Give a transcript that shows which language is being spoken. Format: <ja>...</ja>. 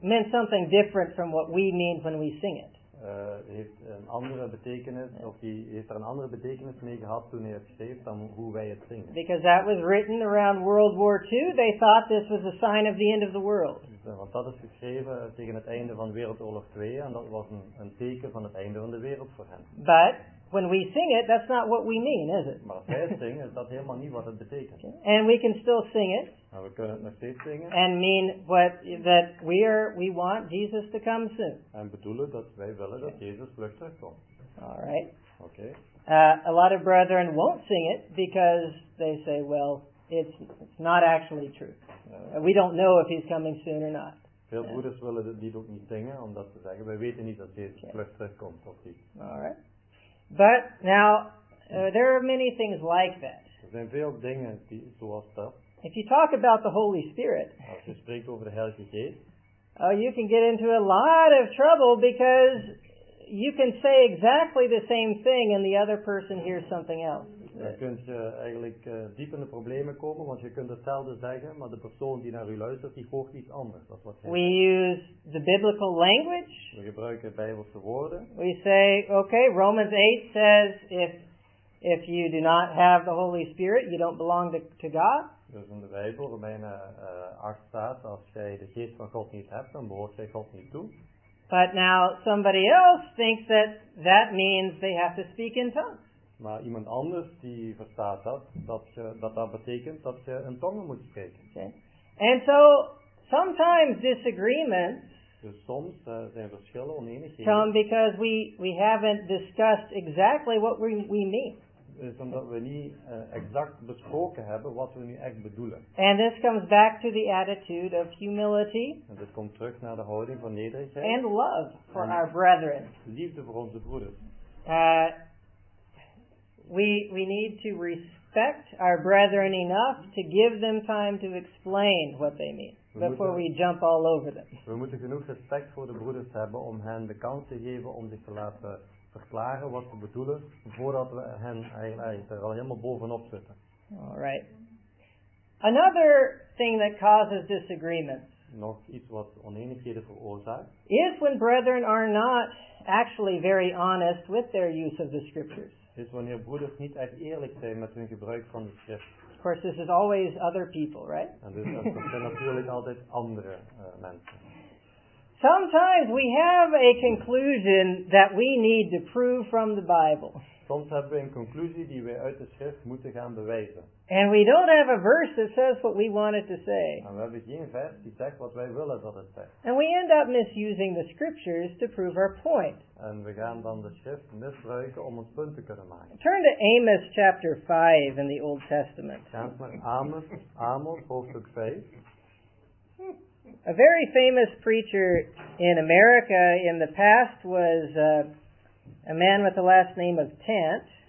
<en>meant something different from what we mean when we sing it.</en> <nl>Heeft een andere betekenis, of die heeft er een andere betekenis mee gehad toen hij het schreef dan hoe wij het zingen.</nl> <en>Because that was written around World War II, they thought this was a sign of the end of the world.</en> <nl>Want dat is geschreven tegen het einde van Wereldoorlog 2 en dat was een teken van het einde van de wereld voor hen.</nl> <en>But when we sing it, that's not what we mean, is it?</en> <nl>Maar als wij het zingen, is dat helemaal niet wat het betekent.</nl> <en>Okay. And we can still sing it.</en> <nl>En we kunnen het nog steeds zingen.</nl> <en>And mean what that we want Jesus to come soon.</en> <nl>En bedoelen dat wij willen dat Jezus vlug terugkomt.</nl> <en>All right. Okay. A lot of brethren won't sing it because they say, well, it's not actually true. We don't know if he's coming soon or not.</en> <nl>Veel broeders willen het lied ook niet zingen omdat ze zeggen, wij weten niet dat Jezus vlug terugkomt of niet.</nl> <en>All right. But now, there are many things like that.</en> <nl>Er zijn veel dingen die, zoals dat.</nl> <en>If you talk about the Holy Spirit,</en> <nl>als je spreekt over de Heilige Geest,</nl> <en>you can get into a lot of trouble because you can say exactly the same thing and the other person hears something else.</en> <nl>Dan kun je eigenlijk diep in de problemen komen, want je kunt hetzelfde zeggen, maar de persoon die naar u luistert, die hoort iets anders. Dat is wat</nl> <en>we use the biblical language.</en> <nl>We gebruiken Bijbelse woorden.</nl> <en>We say, okay, Romans 8 says, if you do not have the Holy Spirit, you don't belong to God.</en> <nl>Dus in de Bijbel, Romeinen 8 staat, als jij de geest van God niet hebt, dan behoort jij God niet toe.</nl> <en>But now somebody else thinks that means they have to speak in tongues.</en> <nl>Maar iemand anders die verstaat dat betekent dat je in tongen moet spreken.</nl> <en>Okay. And so sometimes disagreements.</en> <nl>Dus soms zijn verschillen oneenigheden.</nl> <en>Come because we haven't discussed exactly what we mean.</en> <nl>Is omdat we niet exact besproken hebben wat we nu echt bedoelen.</nl> <en>And this comes back to the attitude of humility.</en> <nl>En dit komt terug naar de houding van nederigheid.</nl> <en>And love for our brethren.</en> <nl>Liefde voor onze broeders.</nl> <en>We need to respect our brethren enough to give them time to explain what they mean before we jump all over them.</en> <nl>We moeten genoeg respect voor de broeders hebben om hen de kans te geven om zich te laten verklaren wat ze bedoelen voordat we hen eigenlijk er al helemaal bovenop zitten.</nl> <en>All right. Another thing that causes disagreements.</en> <nl>Nog iets wat oneenigheden veroorzaakt.</nl> <en>Is when brethren are not actually very honest with their use of the scriptures.</en> <nl>Is wanneer broeders niet echt eerlijk zijn met hun gebruik van de schrift.</nl> <en>Of course, this is always other people, right?</en> <nl>En dus dat zijn natuurlijk altijd andere mensen.</nl> <en>Sometimes we have a conclusion that we need to prove from the Bible.</en> <nl>Soms hebben we een conclusie die we uit de schrift moeten gaan bewijzen.</nl> <en>And we don't have a verse that says what we want it to say.</en> <nl>En we hebben geen vers die zegt wat wij willen dat het zegt.</nl> <en>And we end up misusing the scriptures to prove our point.</en> <nl>En we gaan dan de schrift misbruiken om ons punt te kunnen maken.</nl> <en>Turn to Amos chapter 5 in the Old Testament.</en> <nl>Gaan we naar Amos hoofdstuk 5.</nl> <en>A very famous preacher in America in the past was a man with the last name of Tant.</en>